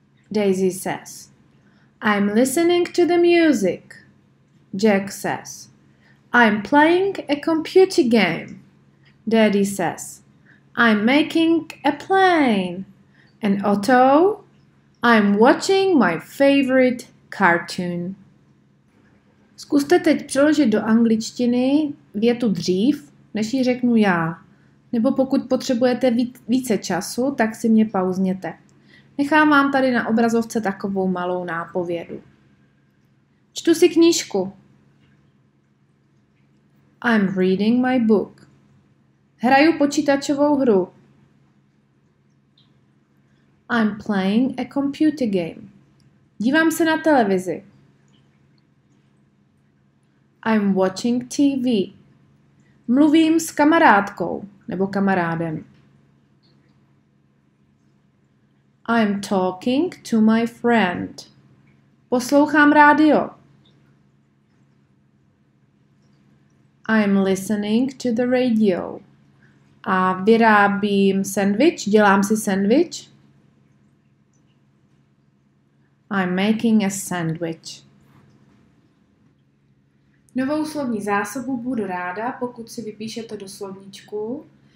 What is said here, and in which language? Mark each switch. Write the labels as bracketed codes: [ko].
[en] Daisy says, I'm listening to the music. Jack says, I'm playing a computer game. Daddy says, I'm making a plane. And Otto, I'm watching my favorite cartoon. [cs] Zkuste teď přeložit do angličtiny větu dřív, než ji řeknu já. Nebo pokud potřebujete více času, tak si mě pauzněte. Nechám vám tady na obrazovce takovou malou nápovědu. Čtu si knížku. [en] I'm reading my book. [cs] Hraju počítačovou hru. [en] I'm playing a computer game. [cs] Dívám se na televizi. [en] I'm watching TV. [cs] Mluvím s kamarádkou nebo kamarádem. [en] I'm talking to my friend. [cs] Poslouchám rádio. [en] I'm listening to the radio. [cs] A vyrábím sandwich, dělám si sandwich. [en] I'm making a sandwich. [cs] Novou slovní zásobu budu ráda, pokud si vypíšete do slovníčku.